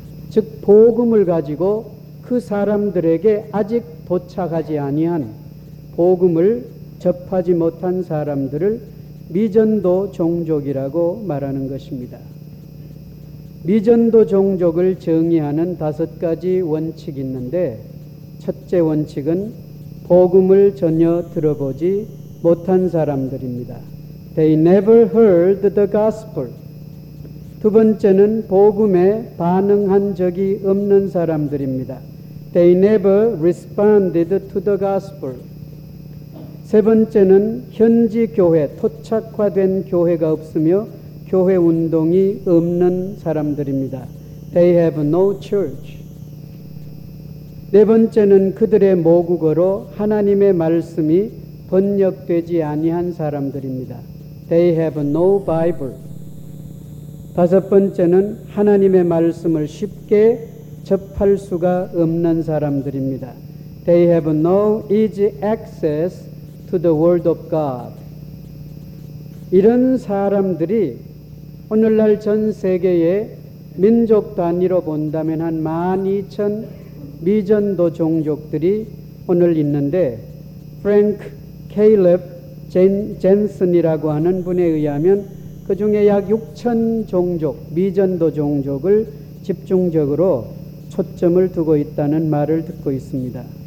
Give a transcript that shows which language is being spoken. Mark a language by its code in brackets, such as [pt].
[ko] 즉 복음을 가지고 그 사람들에게 아직 도착하지 아니한 복음을 접하지 못한 사람들을 미전도 종족이라고 말하는 것입니다. 미전도 종족을 정의하는 다섯 가지 원칙이 있는데 첫째 원칙은 복음을 전혀 들어보지 못한 사람들입니다. [en] They never heard the gospel. [ko] 두 번째는 복음에 반응한 적이 없는 사람들입니다. [en] They never responded to the gospel. [ko] 세 번째는 현지 교회, 토착화된 교회가 없으며 교회 운동이 없는 사람들입니다. [en] They have no church. [ko] 네 번째는 그들의 모국어로 하나님의 말씀이 번역되지 아니한 사람들입니다. [en] They have no Bible. [ko] 다섯 번째는 하나님의 말씀을 쉽게 접할 수가 없는 사람들입니다. [en] They have no easy access to the word of God. [ko] 이런 사람들이 오늘날 전 세계의 민족 단위로 본다면 한 12,000 미전도 종족들이 오늘 있는데 프랭크 케일럽 젠슨이라고 하는 분에 의하면 그 중에 약 6,000 종족 미전도 종족을 집중적으로 초점을 두고 있다는 말을 듣고 있습니다.